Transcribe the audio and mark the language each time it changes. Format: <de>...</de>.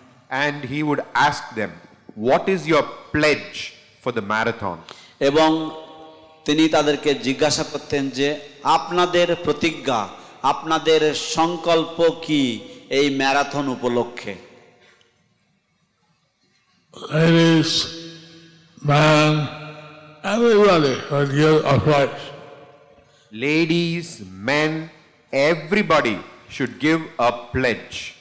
<en>And he would ask them, what is your pledge for the marathon?</en> <bn>এবং তিনি তাদেরকে জিজ্ঞাসা করতেন যে আপনাদের প্রতিজ্ঞা, আপনাদের সংকল্প কি এই ম্যারাথন উপলক্ষে?</bn> <en>Ladies, men, everybody would give a pledge. Ladies, men, everybody should give a pledge.</en>